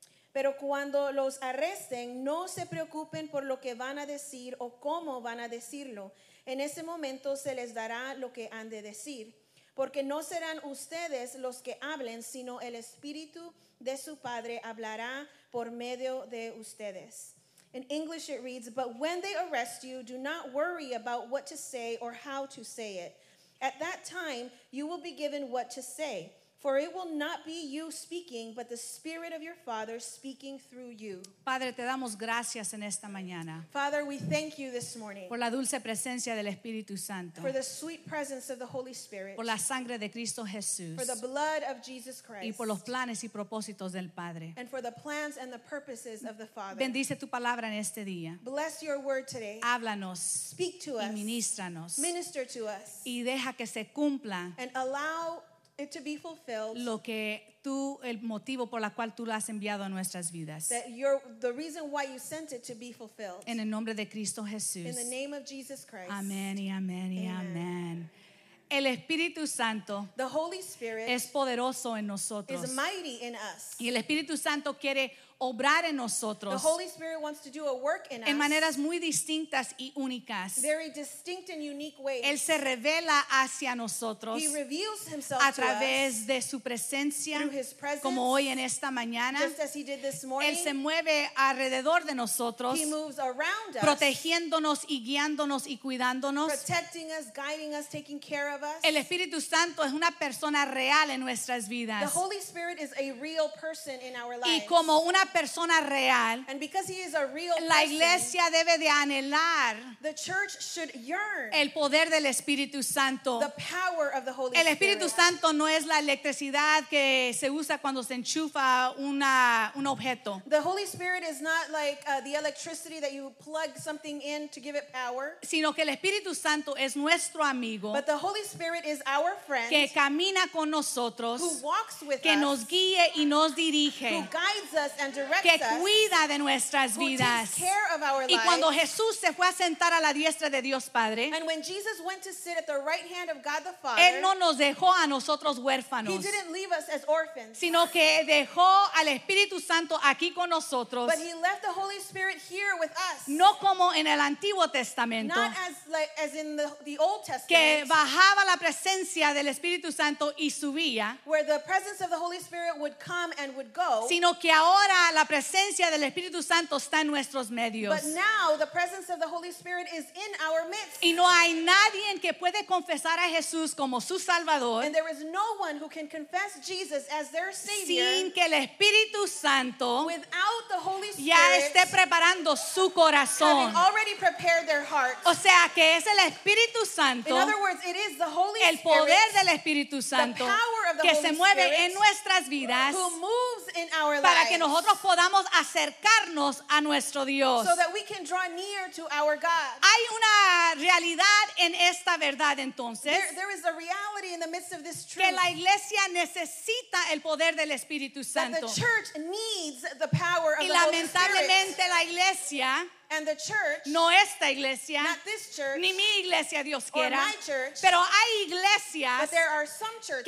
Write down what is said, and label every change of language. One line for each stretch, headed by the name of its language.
Spanish: Pero cuando los arresten, no se preocupen por lo que van a decir o cómo van a decirlo. En ese momento se les dará lo que han de decir, porque no serán ustedes los que hablen, sino el Espíritu de su Padre hablará por medio de ustedes.
English: In English it reads, "But when they arrest you, do not worry about what to say or how to say it. At that time, you will be given what to say. For it will not be you speaking, but the Spirit of your Father speaking through you."
Spanish: Padre, te damos gracias en esta mañana.
English: Father, we thank you this morning.
Spanish: Por la dulce presencia del Espíritu Santo.
English: For the sweet presence of the Holy Spirit.
Spanish: Por la sangre de Cristo Jesús.
English: For the blood of Jesus Christ.
Spanish: Y por los planes y propósitos del Padre.
English: And for the plans and the purposes of the Father.
Spanish: Bendice tu palabra en este día.
English: Bless your word today.
Spanish: Háblanos.
English: Speak to us.
Spanish: Y ministranos.
English: Minister to us.
Spanish: Y deja que se cumpla.
English: And allow it to be fulfilled.
Spanish: Lo que tú, el motivo por la cual tú lo has enviado a nuestras vidas.
English: That you're the reason why you sent it to be fulfilled.
Spanish: En el nombre de Cristo Jesús.
English: In the name of Jesus Christ.
Spanish: Amen y amen y amen. El Espíritu Santo,
English: the Holy Spirit,
Spanish: es poderoso en nosotros.
English: Is mighty in us.
Spanish: Y el Espíritu Santo quiere obrar en nosotros.
English: The Holy Spirit wants to do a work in us.
Spanish: En maneras muy distintas y únicas.
English: Very distinct and unique ways.
Spanish: Él se revela hacia nosotros.
English: He reveals himself
Spanish: a través
English: to us
Spanish: de su presencia.
English: Through his presence.
Spanish: Como hoy en esta mañana.
English: Just as he did this morning.
Spanish: Él se mueve alrededor de nosotros.
English: He moves around us.
Spanish: Protegiéndonos y guiándonos y cuidándonos.
English: Protecting us, guiding us, taking care of of us.
Spanish: El Espíritu Santo es una persona real en nuestras vidas.
English: The Holy Spirit is a real person in our lives.
Spanish: Y como una persona real,
English: and because he is a real person,
Spanish: la iglesia debe de anhelar,
English: the church should yearn,
Spanish: el poder del Espíritu Santo.
English: The power of the Holy Spirit.
Spanish: El Espíritu Santo no es la electricidad que se usa cuando se enchufa un objeto.
English: The Holy Spirit is not like the electricity that you plug something in to give it power.
Spanish: Sino que el Espíritu Santo es nuestro amigo.
English: But the Holy Spirit is our friend.
Spanish: Que camina con nosotros.
English: Who walks with
Spanish: que
English: us.
Spanish: Que nos guíe y nos dirige.
English: Who guides us and directs
Spanish: que
English: us.
Spanish: Que cuida de nuestras
English: who
Spanish: vidas.
English: Who takes care of our
Spanish: y
English: lives.
Spanish: Y cuando Jesús se fue a sentar a la diestra de Dios Padre.
English: And when Jesus went to sit at the right hand of God the Father.
Spanish: Él no nos dejó a nosotros huérfanos.
English: He didn't leave us as orphans.
Spanish: Sino que dejó al Espíritu Santo aquí con nosotros.
English: But he left the Holy Spirit here with us.
Spanish: No como en el Antiguo Testamento.
English: Not as like as in the Old Testament.
Spanish: Que bajaba la presencia del Espíritu Santo y subía.
English: Where the presence of the Holy Spirit would come and would go.
Spanish: Sino que ahora la presencia del Espíritu Santo está en nuestros medios.
English: But now the presence of the Holy Spirit is in our midst.
Spanish: Y no hay nadie que puede confesar a Jesús como su Salvador.
English: And there is no one who can confess Jesus as their Savior.
Spanish: Sin que el Espíritu Santo
English: without the Holy Spirit,
Spanish: ya esté preparando su corazón.
English: Having already prepared their hearts.
Spanish: O sea que es el Espíritu Santo.
English: In other words, it is the Holy
Spanish: el poder
English: Spirit,
Spanish: del Espíritu Santo
English: the power of the
Spanish: que
English: Holy
Spanish: se mueve
English: Spirit,
Spanish: en nuestras vidas
English: who moves in our lives,
Spanish: para que nosotros podamos acercarnos a nuestro Dios.
English: So that we can draw near to our God.
Spanish: Hay una realidad en esta verdad entonces
English: there is a reality in the midst of this truth,
Spanish: que la iglesia necesita el poder del Espíritu Santo.
English: That the church needs the power of
Spanish: y lamentablemente la iglesia
English: and the church,
Spanish: no esta iglesia,
English: not this church,
Spanish: ni mi iglesia Dios quiera,
English: or my church,
Spanish: pero hay iglesias
English: but there are some churches